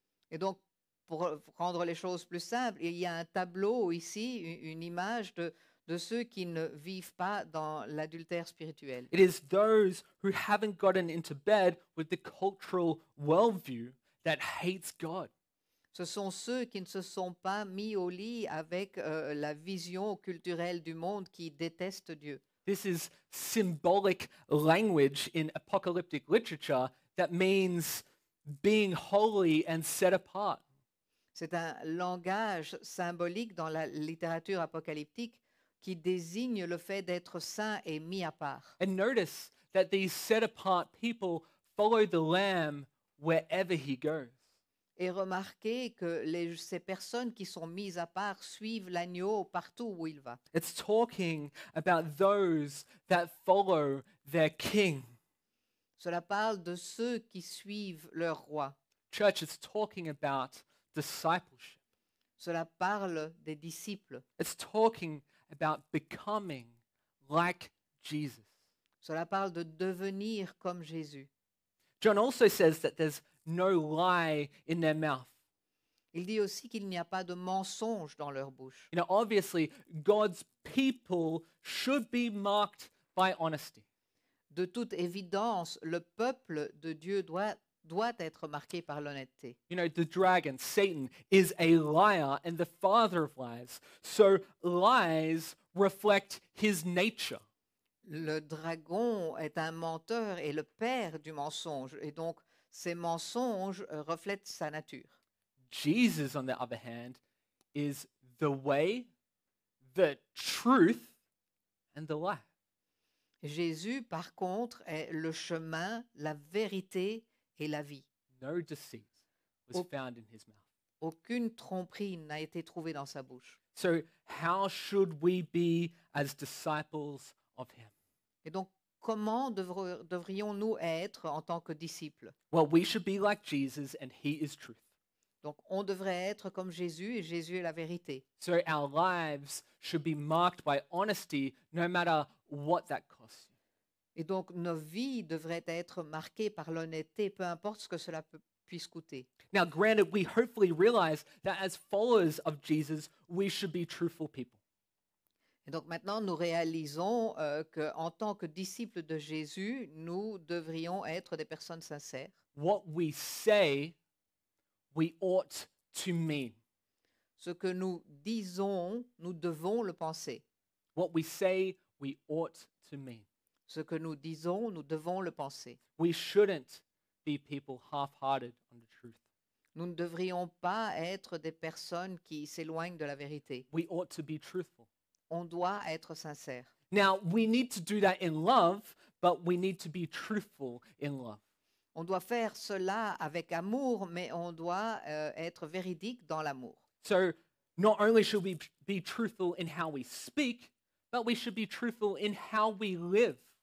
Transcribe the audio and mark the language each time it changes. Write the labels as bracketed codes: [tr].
[fr] Et donc, pour rendre les choses plus simples, il y a un tableau ici, une image de ceux qui ne vivent pas dans l'adultère spirituel. [en] It is those who haven't gotten into bed with the cultural worldview that hates God. [fr] Ce sont ceux qui ne se sont pas mis au lit avec la vision culturelle du monde qui déteste Dieu. [en] This is symbolic language in apocalyptic literature that means being holy and set apart. [fr] C'est un langage symbolique dans la littérature apocalyptique qui désigne le fait d'être saint et mis à part. [en] And notice that these set-apart people follow the Lamb wherever he goes. [fr] Et remarquez que ces personnes qui sont mises à part suivent l'agneau partout où il va. [en] It's talking about those that follow their king. [fr] Cela parle de ceux qui suivent leur roi. [en] Church, it's talking about discipleship. [fr] Cela parle des disciples. [en] It's talking about becoming like Jesus. [fr] Cela parle de devenir comme Jésus. [en] John also says that there's no lie in their mouth. [fr] Il dit aussi qu'il n'y a pas de mensonge dans leur bouche. [en] You know, obviously, God's people should be marked by honesty. [fr] De toute évidence, le peuple de Dieu doit être marqué par l'honnêteté. [en] You know, the dragon, Satan, is a liar and the father of lies. So lies reflect his nature. [fr] Le dragon est un menteur et le père du mensonge. Et donc, ces mensonges reflètent sa nature. [en] Jesus, on the other hand, is the way, the truth, and the life. [fr] Jésus, par contre, est le chemin, la vérité, et la vie. [en] No deceit was found in his mouth. [fr] Aucune tromperie n'a été trouvée dans sa bouche. [en] So how should we be as disciples of him? [fr] Et donc, comment devrions-nous être en tant que disciples? [en] Well, we should be like Jesus and he is truth. [fr] Donc, on devrait être comme Jésus et Jésus est la vérité. [en] So our lives should be marked by honesty no matter what that costs. [fr] Et donc, nos vies devraient être marquées par l'honnêteté, peu importe ce que cela puisse coûter. [en] Now, granted, we hopefully realize that as followers of Jesus, we should be truthful people. [fr] Et donc, maintenant, nous réalisons qu'en tant que disciples de Jésus, nous devrions être des personnes sincères. [en] What we say, we ought to mean. [fr] Ce que nous disons, nous devons le penser. [en] What we say, we ought to mean. [fr] Ce que nous disons, nous devons le penser. [en] We shouldn't be people half-hearted on the truth. [fr] Nous ne devrions pas être des personnes qui s'éloignent de la vérité. [en] We ought to be truthful. [fr] On doit être sincère. [en] Now, we need to do that in love, but we need to be truthful in love. [fr] On doit faire cela avec amour, mais on doit être véridique dans l'amour. [en] So, not only should we be truthful in how we speak, but we should be truthful in how we live.